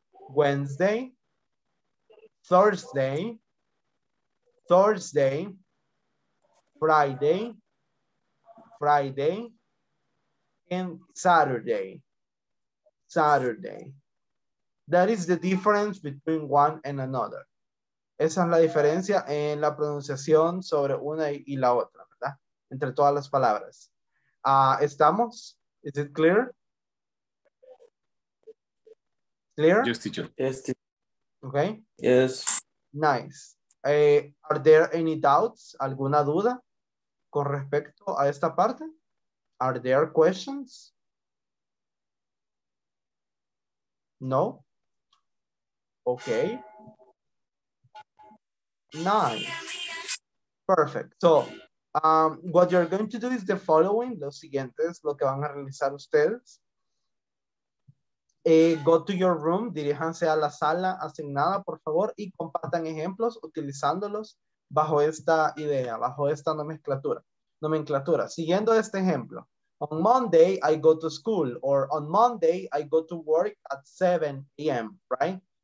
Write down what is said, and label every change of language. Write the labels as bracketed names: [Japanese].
[English] Wednesday, Thursday, Thursday, Friday, Friday, and Saturday, Saturday. That is the difference between one and another. [Spanish] Esa es la diferencia en la pronunciación sobre una y la otra, ¿verdad? Entre todas las palabras. ¿Estamos? [English] Is it clear? Clear? Yes, teacher. Yes, teacher. Okay. Yes. Nice. Are there any doubts? [Spanish] ¿Alguna duda con respecto a esta parte? [English] Are there questions? No? Okay. Nice. Perfect. So, what you're going to do is the following. [Spanish] Lo siguiente es lo que van a realizar ustedes. [English] Go to your room, [Spanish] diríjanse a la sala asignada, por favor, y compartan ejemplos utilizándolos bajo esta idea, bajo esta nomenclatura. Siguiendo este ejemplo, [English] on Monday I go to school, or on Monday I go to work at 7 a.m., right?